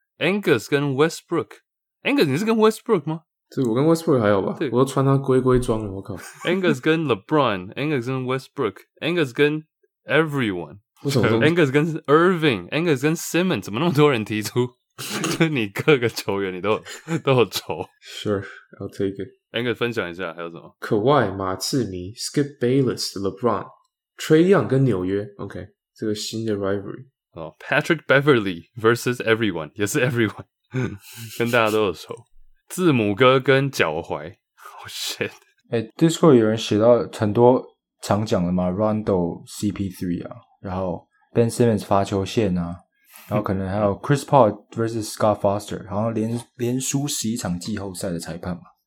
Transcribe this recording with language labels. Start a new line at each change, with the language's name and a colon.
Chinese: Angus 跟 Westbrook，Angus 你是跟 Westbrook 吗？对，我跟 Westbrook 还好吧，對，我都穿他龟龟装了，我靠。 Angus 跟 LeBron，Angus 跟 Westbrook，Angus 跟 Everyone，为什么？Angus 跟 Irving，Angus 跟 Simmons， 怎么那么多人提出？就你各个球员，你都有仇。
English: Sure，I'll take it。
Chinese: Angus 分享一下还有什么？Kawhi、马刺迷、Skip Bayless、LeBron、Trey Young 跟纽约 ，OK， 这个新的 rivalry。哦、oh, ，Patrick Beverly versus everyone， 也是 everyone， 跟大家都有仇。字母哥跟脚踝 ，
English: Oh shit！
Chinese: 哎、欸、，Discord 有人写到很多常讲的嘛 ，Rondo CP3 啊，然后 Ben Simmons 发球线啊，然后可能还有 Chris Paul versus Scott Foster， 好像连输11场季后赛的裁判嘛。